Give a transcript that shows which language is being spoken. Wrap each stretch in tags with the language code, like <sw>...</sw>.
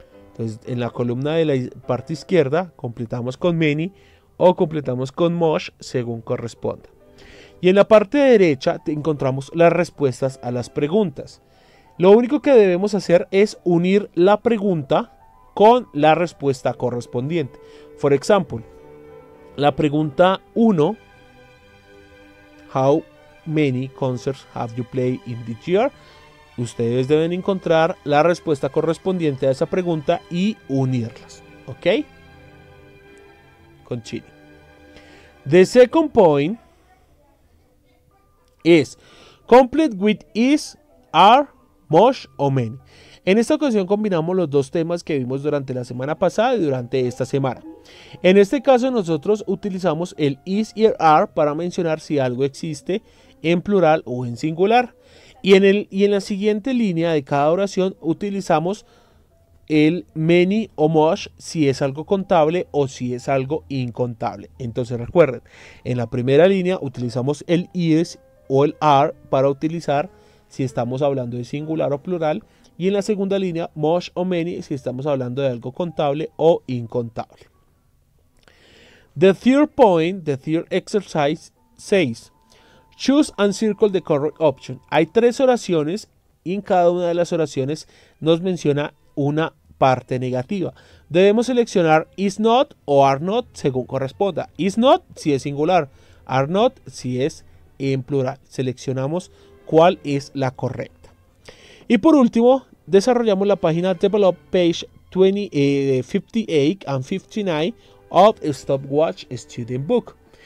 <es>Entonces, en la columna de la parte izquierda, completamos con many o completamos con much, según corresponda. Y en la parte derecha, te encontramos las respuestas a las preguntas. Lo único que debemos hacer es unir la pregunta con la respuesta correspondiente.</es> <en>For example,</en> <es>la pregunta 1,</es> <en>how many concerts have you played in this year?</en> <es>Ustedes deben encontrar la respuesta correspondiente a esa pregunta y unirlas, ¿ok?</es> <en>Continue. The second point is complete with is, are, much o many.</en> <es>En esta ocasión combinamos los dos temas que vimos durante la semana pasada y durante esta semana. En este caso nosotros utilizamos el is y el are para mencionar si algo existe en plural o en singular. Y en la siguiente línea de cada oración utilizamos el many o much si es algo contable o si es algo incontable. Entonces recuerden, en la primera línea utilizamos el is o el are para utilizar si estamos hablando de singular o plural Y en la segunda línea, much o many, si estamos hablando de algo contable o incontable.</es> <en>The third point, the third exercise, says, choose and circle the correct option.</en> <es>Hay tres oraciones y en cada una de las oraciones nos menciona una parte negativa. Debemos seleccionar is not o are not según corresponda. Is not si es singular, are not si es en plural. Seleccionamos cuál es la correcta. Y por último, desarrollamos la página</es> <en>develop page 58 and 59 of Stopwatch Student Book.</en>